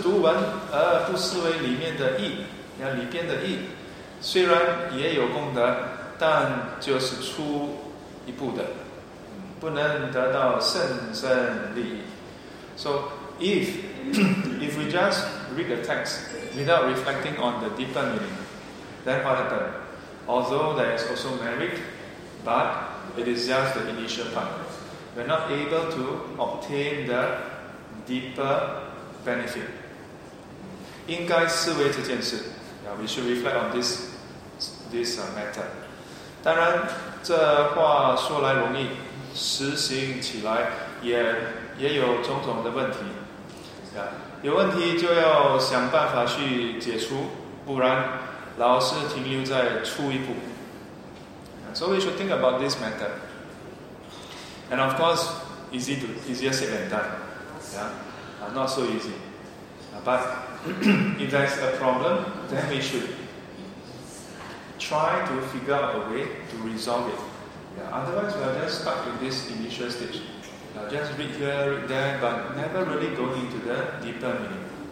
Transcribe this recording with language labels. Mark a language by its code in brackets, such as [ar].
[zh] 如果只是读文而不思维里面的意, 里边的意, 虽然也有功德, 但就是出一步的, 不能得到甚甚利益. [en] So if we just read the text without reflecting on the deeper meaning, then what happened? Although there is also merit, but it is just the initial part. We're not able to obtain the deeper benefit. [zh] 应该思维这件事, [en] yeah, we should reflect on this matter. [zh] 当然这话说来容易, 实行起来也有种种的问题, yeah. 有问题就要想办法去解除, 不然老是停留在初一步. [en] So we should think about this matter. And of course, easier said than done, yeah. Not so easy. But if there's a problem, then we should try to figure out a way to resolve it. Yeah, otherwise, we are just stuck in this initial stage. Just read here, read there, but never really go into the deeper meaning.